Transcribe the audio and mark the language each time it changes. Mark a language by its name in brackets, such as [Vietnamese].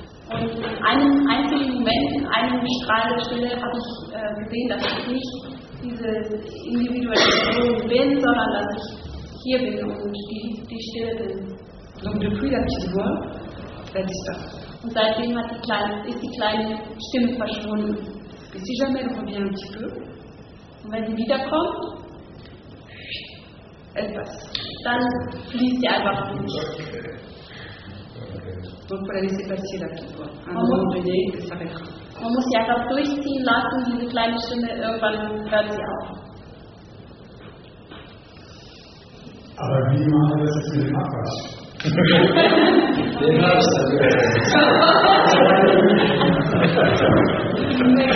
[German] Und in einem einzigen Moment, in einem Strahl der Stille, habe ich gesehen, dass ich nicht diese individuelle Person bin, sondern dass ich hier bin und die Stille bin. [French] Donc depuis la petite voix, elle disparaît. [German] Und seitdem ist die kleine Stimme verschwunden. [French] Et si jamais elle revient un petit peu, [German] und wenn sie wiederkommt, etwas, dann fließt sie einfach durch. [French] Donc, pour la laisser passer la petite voix. À un moment donné, elle s'arrêtera. [German] On muss sie einfach durchziehen lassen, diese kleine Stimme, irgendwann hört sie auf. Aber wie machen wir das jetzt mit dem Abwasch? Den habe ich dann gehört.